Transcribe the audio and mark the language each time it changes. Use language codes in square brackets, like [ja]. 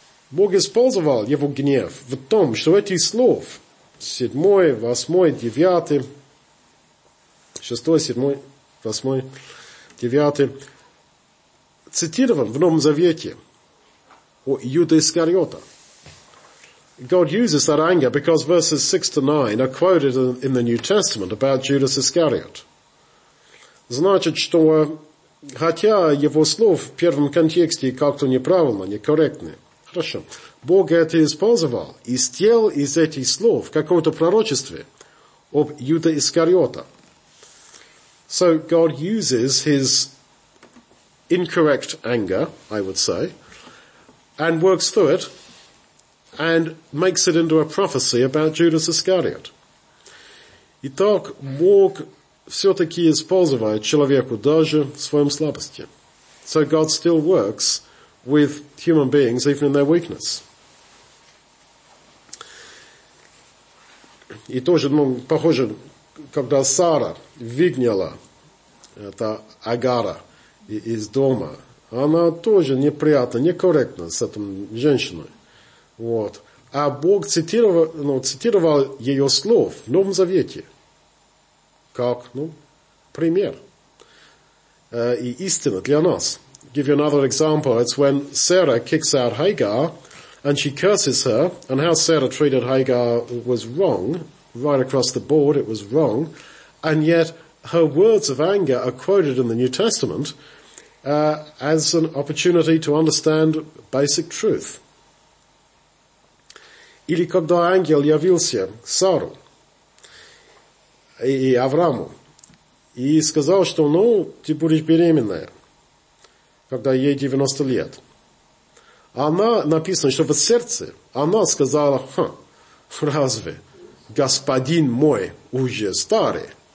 [ru] Бог использовал его гнев в том, что эти слов, 7, 8, 9, 6, 7, 8, 9, цитирован в Новом Завете у Иуды Искариота. [en] God uses that anger because verses 6 to 9 are quoted in the New Testament about Judas Iscariot. [ru] Значит, что хотя его слов в первом контексте как-то неправильно, некорректны, хорошо. Бог это использовал и сделал из этих слов какое-то пророчество об Юде Искариота. [en] So God uses his incorrect anger, I would say, and works through it and makes it into a prophecy about Judas Iscariot. [ru] Итак, Бог все-таки использовает человеку даже в своем слабости. [en] So God still works with human beings, even in their weakness. [ru] И тоже, ну, похоже, когда Сара выгнала это Агара из дома, она тоже неприятна, некорректна с этой женщиной. Вот. А Бог цитировал ее слов в Новом Завете. Как, ну, пример. И истина для нас. [en] Give you another example. It's when Sarah kicks out Hagar and she curses her, and how Sarah treated Hagar was wrong, right across the board, it was wrong, and yet her words of anger are quoted in the New Testament as an opportunity to understand basic truth. [ru] Или когда ангел явился Сару и Аврааму и сказал, что, ну, ты будешь беременная, когда ей 90 лет. Она, написано, что в сердце, она сказала, хм, разве господин мой уже старый?